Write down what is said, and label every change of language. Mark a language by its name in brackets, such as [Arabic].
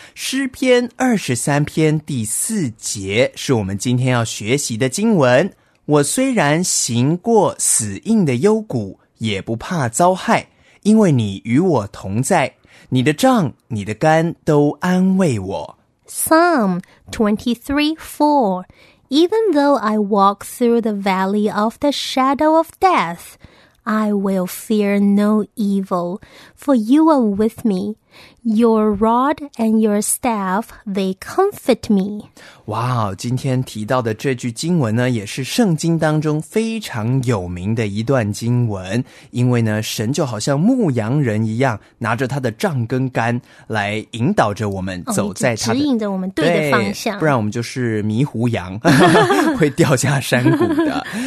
[Chinese] 诗篇23篇第四节是我们今天要学习的经文，我虽然行过死硬的幽谷，也不怕遭害，因为你与我同在，你的杖你的竿都安慰我。 [English] Psalm 23:4， Even though I walk through the valley of the shadow of death, I will fear no evil, for you are with me. Your rod and your staff, they comfort me. [Chinese] 哇，今天提到的这句经文呢，也是圣经当中非常有名的一段经文，因为呢，神就好像牧羊人一样，拿着他的杖跟竿来引导着我们走在他的，指引着我们对的方向，不然我们就是迷糊羊，会掉下山谷的。